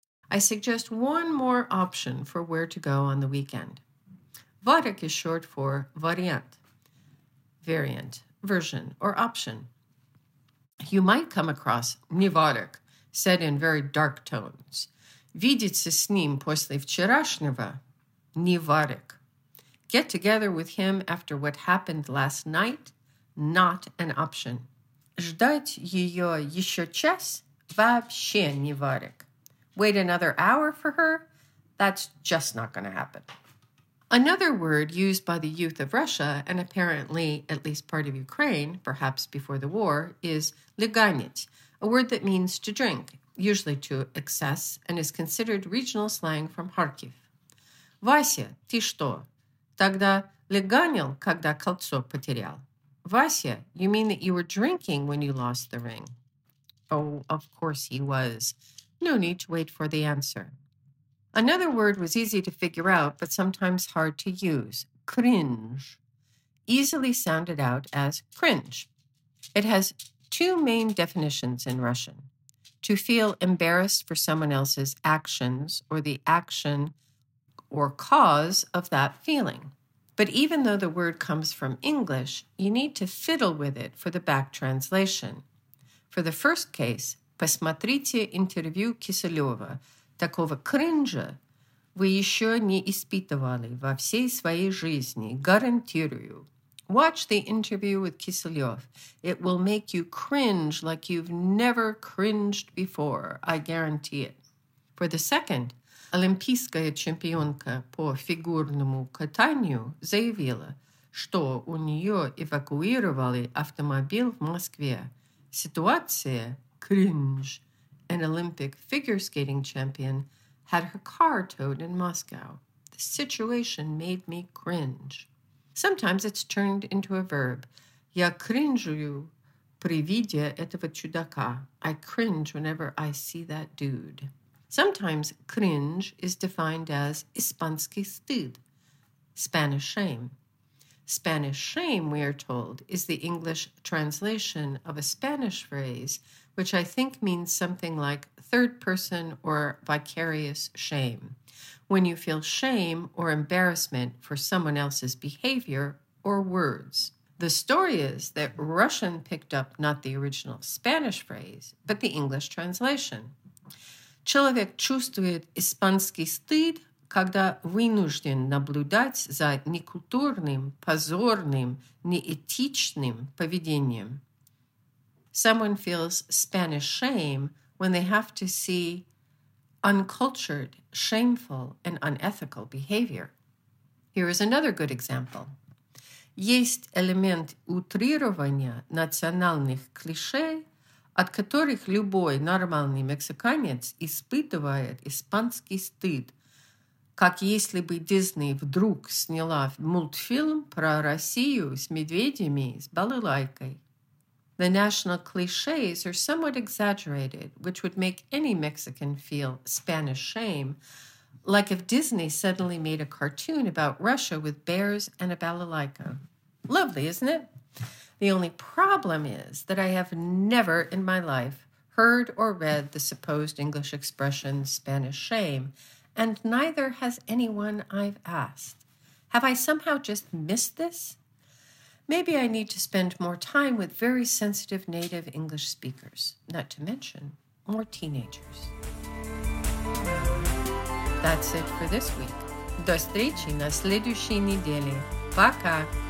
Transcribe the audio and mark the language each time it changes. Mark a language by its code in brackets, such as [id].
[en] I suggest one more option for where to go on the weekend. Varik is short for variant, version, or option. You might come across неварик, said in very dark tones. [ru] Видеться с ним после вчерашнего – неварик. [en] Get together with him after what happened last night – not an option. [ru] Ждать ее еще час – вообще неварик. [en] Wait another hour for her – that's just not going to happen. Another word used by the youth of Russia, and apparently at least part of Ukraine, perhaps before the war, is «люганить», a word that means to drink, usually to excess, and is considered regional slang from Kharkiv. [ru] «Вася, ты что? Тогда «люганил», когда кольцо потерял?» [en] «Вася, you mean that you were drinking when you lost the ring?» Oh, of course he was. No need to wait for the answer. Another word was easy to figure out, but sometimes hard to use, cringe. Easily sounded out as cringe. It has two main definitions in Russian. To feel embarrassed for someone else's actions or the action or cause of that feeling. But even though the word comes from English, you need to fiddle with it for the back translation. For the first case, [ru] посмотрите интервью Киселева, такого кринжа, Вы еще не испытывали во всей своей жизни, гарантирую. [en] Watch the interview with Kiselyov. It will make you cringe like you've never cringed before. I guarantee it. For the second, [ru] олимпийская чемпионка по фигурному катанию заявила, что у нее эвакуировали автомобиль в Москве. Ситуация [en] – cringe. An Olympic figure skating champion had her car towed in Moscow. The situation made me cringe. Sometimes it's turned into a verb. [ru] Я кринжую при виде этого чудака. [en] I cringe whenever I see that dude. Sometimes cringe is defined as [ru] испанский стыд, [en] Spanish shame. Spanish shame, we are told, is the English translation of a Spanish phrase, which I think means something like third person or vicarious shame, when you feel shame or embarrassment for someone else's behavior or words. The story is that Russian picked up not the original Spanish phrase, but the English translation. [ru] Человек чувствует испанский стыд, когда вынужден наблюдать за некультурным, позорным, неэтичным поведением. [en] Someone feels Spanish shame when they have to see uncultured, shameful, and unethical behavior. Here is another good example. [ru] Есть элемент утрирования национальных клише, от которых любой нормальный мексиканец испытывает испанский стыд, как если бы Дисней вдруг сняла мультфильм про Россию с медведями, с балалайкой. [en] The national clichés are somewhat exaggerated, which would make any Mexican feel Spanish shame, like if Disney suddenly made a cartoon about Russia with bears and a balalaika. Lovely, isn't it? The only problem is that I have never in my life heard or read the supposed English expression Spanish shame, and neither has anyone I've asked. Have I somehow just missed this? Maybe I need to spend more time with very sensitive native English speakers, not to mention more teenagers. That's it for this week. [ru] До встречи на следующей неделе. Пока!